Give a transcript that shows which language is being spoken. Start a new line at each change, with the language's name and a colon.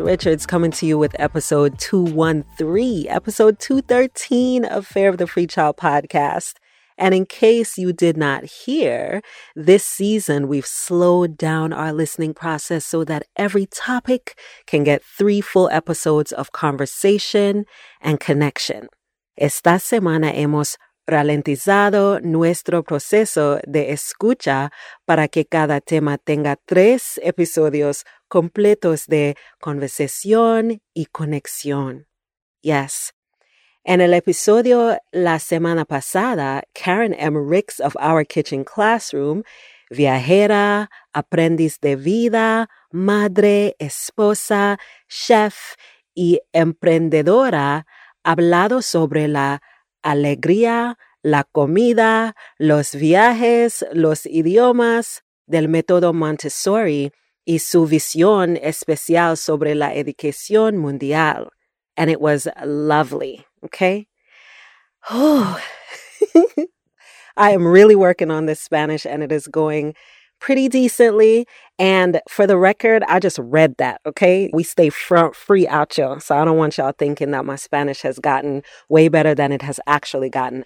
English: Richards coming to you with episode 213 of Fair of the Free Child podcast. And in case you did not hear, this season we've slowed down our listening process so that every topic can get 3 full episodes of conversation and connection.
Spanish: Esta semana hemos ralentizado nuestro proceso de escucha para que cada tema tenga 3 episodios completos de conversación y conexión. Yes. En el episodio la semana pasada, Karen M. Ricks of Our Kitchen Classroom, viajera, aprendiz de vida, madre, esposa, chef y emprendedora, hablado sobre la alegría, la comida, los viajes, los idiomas del método Montessori y su visión especial sobre la educación mundial.
English: And it was lovely, okay? Oh, I am really working on this Spanish and it is going pretty decently. And for the record, I just read that, okay? We stay front free out y'all. So I don't want y'all thinking that my Spanish has gotten way better than it has actually gotten.